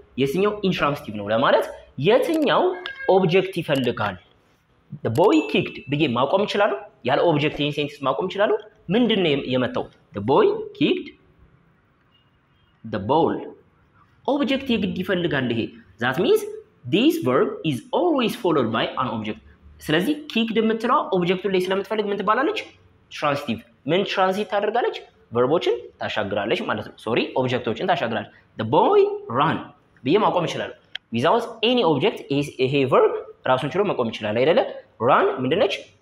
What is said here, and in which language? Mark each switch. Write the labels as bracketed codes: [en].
[am] የትኛው intransitive ነው ለማለት የትኛው object ይፈልጋል? [en] The boy kicked [am] ብዬ ማቆም ይችላሉ? ያለ object ይህን sentence ማቆም ይችላሉ? ምንድን ነው የመጣው? [en] The boy kicked the ball. [am] object የግድ ይፈልጋል ይሄ? [en] That means this verb is always followed by an object. [am] ስለዚህ kicked የምትለው object ላይ ስለምትፈልግ ምን ትባላለች? transitive. ምን transit ታደርጋለች? verbዎችን ታሻግራለች ማለት ነው። sorry objectዎችን ታሻግራለች። [en] The boy ran [am] ብዬ ማቆም ይችላሉ። [en] without any object is a verb [am] ራሱን ችሎ መቆም ይችላል አይደለ? run ምንድነች?